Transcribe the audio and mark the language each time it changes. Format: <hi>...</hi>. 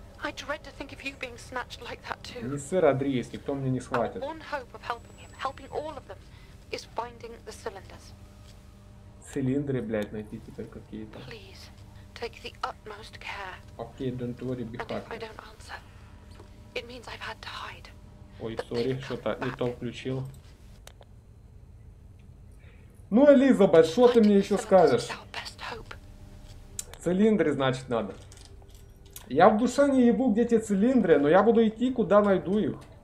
<en>I dread to think of you being snatched like that too.</en> <ru>Не сыр, Адриес, никто мне не схватит.</ru> <en>One hope of helping him, helping all of them, is finding the cylinders.</en> <ru>Цилиндры, блядь, найти теперь какие-то.</ru> <en>Please, take the utmost care. Okay, don't worry, be happy. And if I don't answer, it means I've had to hide.</en> <ru>Ой, сори, что-то не то включил. Ну, Элизабет, что ты мне еще скажешь? Цилиндры, значит, надо. Я в душе не ебу, где те цилиндры, но я буду идти, куда найду их.</ru>